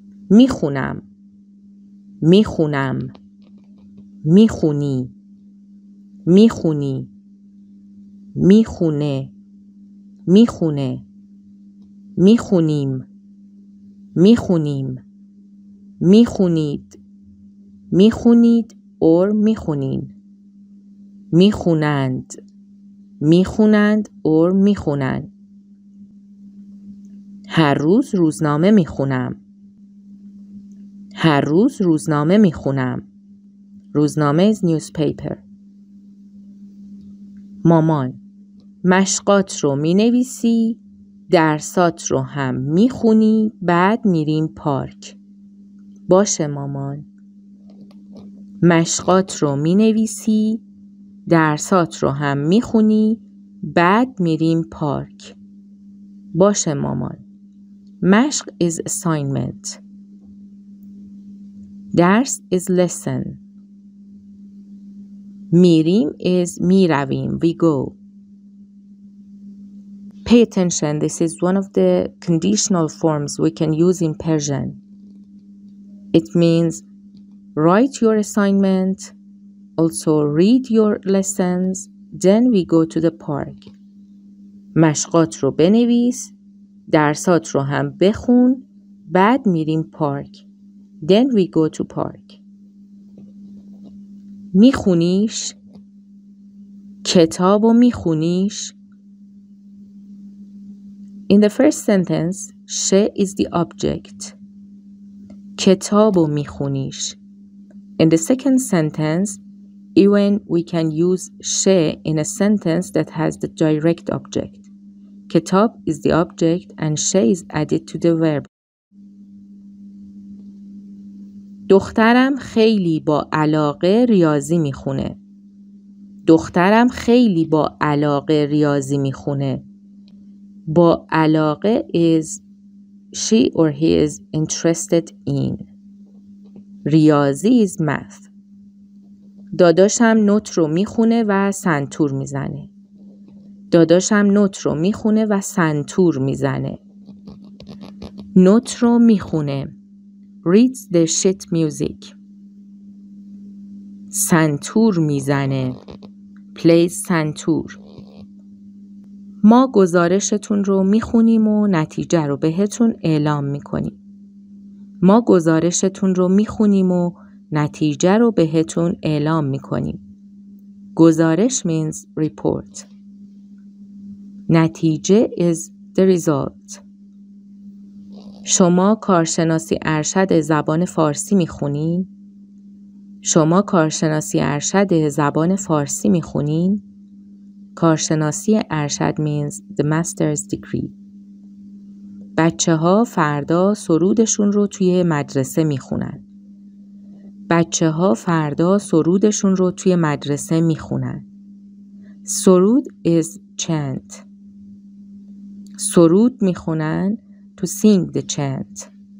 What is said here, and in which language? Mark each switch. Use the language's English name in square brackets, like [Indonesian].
[Persian] میخونم میخونم میخونی میخونی میخونه میخونه میخونیم میخونیم میخونید میخونید or میخونین میخونند میخونند or میخونند هر روز روزنامه میخونم. هر روز روزنامه میخونم. [English] روزنامه is newspaper. [Persian] مامان، مشقات رو مینویسی، درسات رو هم میخونی، بعد میریم پارک. باشه مامان. مشقات رو مینویسی، درسات رو هم میخونی، بعد میریم پارک. باشه مامان. [English] مشق is assignment. درس is lesson. [Persian] میریم is میرویم. [English] We go. Pay attention. This is one of the conditional forms we can use in Persian. It means write your assignment, also read your lessons, then we go to the park. [Persian] مشقات رو بنویس. درسات رو هم بخون بعد میریم پارک [English] Then we go to park [Persian] میخونیش کتاب و میخونیش [English] In the first sentence she is the object [Persian] کتاب و میخونیش [English] In the second sentence even we can use she in a sentence that has the direct object Kitab is the object and she is added to the verb. [Persian] دخترم خیلی با علاقه ریاضی میخونه. دخترم خیلی با علاقه ریاضی میخونه. [English] با علاقه is she or he is interested in. ریاضی is math. [Persian] داداشم نوت رو میخونه و سنتور میزنه. داداشم نوت رو میخونه و سنتور میزنه. نوت رو میخونه. [English] Reads the sheet music. [Persian] سنتور میزنه. Plays سنتور. ما گزارشتون رو میخونیم و نتیجه رو بهتون اعلام میکنیم. ما گزارشتون رو میخونیم و نتیجه رو بهتون اعلام میکنیم. [English] گزارش means report. نتیجه is the result. [Persian] شما کارشناسی ارشد زبان فارسی میخونین؟ شما کارشناسی ارشد زبان فارسی میخونین؟ کارشناسی ارشد [English] means the master's degree. [Persian] بچه ها فردا سرودشون رو توی مدرسه میخونن. بچه ها فردا سرودشون رو توی مدرسه میخونن. [English] سرود is chant. [Persian] سرود میخونن [English] to sing the chant.